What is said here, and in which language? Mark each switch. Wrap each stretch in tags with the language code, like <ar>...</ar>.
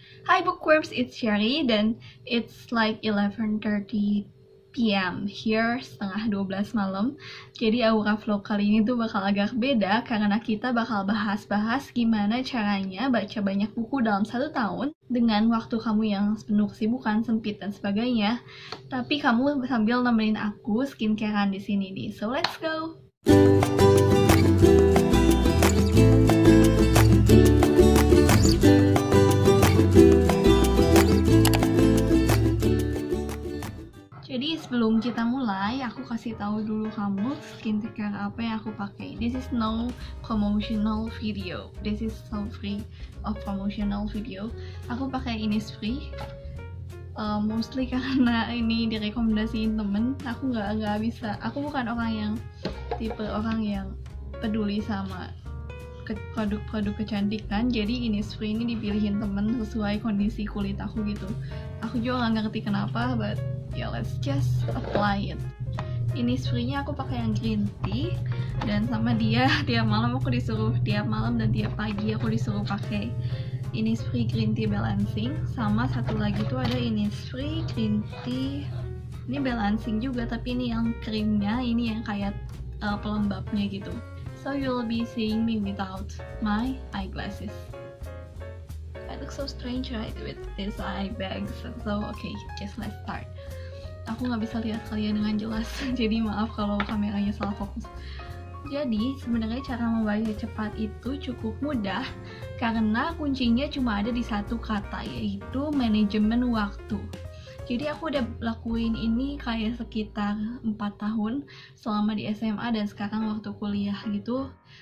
<en>Hi, Bookworms, it's Sherry, dan it's like 11:30 PM here,</en> <id>setengah 12 malam. Jadi Aura Flow kali ini tuh bakal agak beda karena kita bakal bahas-bahas gimana caranya baca banyak buku dalam 1 tahun dengan waktu kamu yang penuh kesibukan, sempit, dan sebagainya. Tapi kamu sambil nemenin aku skincare-an di sini nih.</id> <en>So let's go!</en> <id>Jadi sebelum kita mulai, aku kasih tahu dulu kamu skincare apa yang aku pakai.</id> <en>This is no promotional video. This is so free of promotional video.</en> <id>Aku pakai Innisfree. Mostly karena ini direkomendasiin temen. Aku nggak bisa. Aku bukan orang yang tipe orang yang peduli sama produk-produk kecantikan. Jadi Innisfree ini dipilihin temen sesuai kondisi kulit aku gitu. Aku juga nggak ngerti kenapa,</id> <en>but yeah, let's just apply it.</en> <id>Innisfree-nya aku pakai yang green tea, dan sama dia tiap malam aku disuruh, tiap malam dan tiap pagi aku disuruh pakai Innisfree green tea balancing. Sama satu lagi tuh ada Innisfree green tea, ini balancing juga tapi ini yang krimnya, ini yang kayak pelembabnya gitu.</id> <en>So you'll be seeing me without my eyeglasses. I look so strange right with this eye bags. So okay, just let's start.</en> <id>Aku nggak bisa lihat kalian dengan jelas, jadi maaf kalau kameranya salah fokus. Jadi sebenarnya cara membaca cepat itu cukup mudah karena kuncinya cuma ada di satu kata, yaitu manajemen waktu. Jadi aku udah lakuin ini kayak sekitar 4 tahun selama di SMA dan sekarang waktu kuliah gitu.</id>